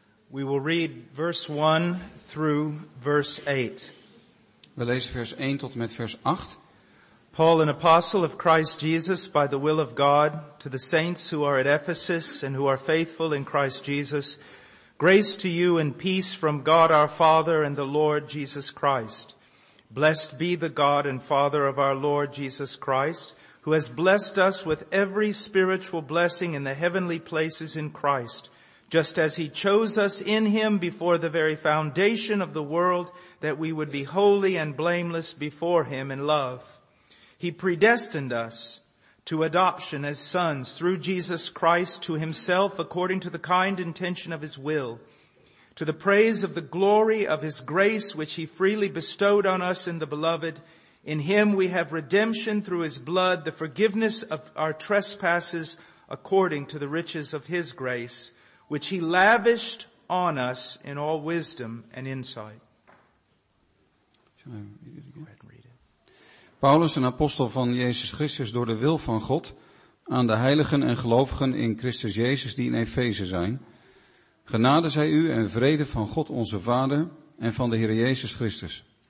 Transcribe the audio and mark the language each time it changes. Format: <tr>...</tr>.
<en>We will read verse 1 through verse 8.</en> <nl>We lezen vers 1 tot en met vers 8.</nl> <en>Paul, an apostle of Christ Jesus by the will of God, to the saints who are at Ephesus and who are faithful in Christ Jesus, grace to you and peace from God our Father and the Lord Jesus Christ. Blessed be the God and Father of our Lord Jesus Christ, who has blessed us with every spiritual blessing in the heavenly places in Christ, just as he chose us in him before the very foundation of the world, that we would be holy and blameless before him in love. He predestined us to adoption as sons through Jesus Christ to himself according to the kind intention of his will, to the praise of the glory of his grace which he freely bestowed on us in the beloved. In him we have redemption through his blood, the forgiveness of our trespasses according to the riches of his grace, which he lavished on us in all wisdom and insight.</en> <nl>Paulus, een apostel van Jezus Christus door de wil van God, aan de heiligen en gelovigen in Christus Jezus die in Efeze zijn. Genade zij u en vrede van God onze Vader en van de Heer Jezus Christus.</nl>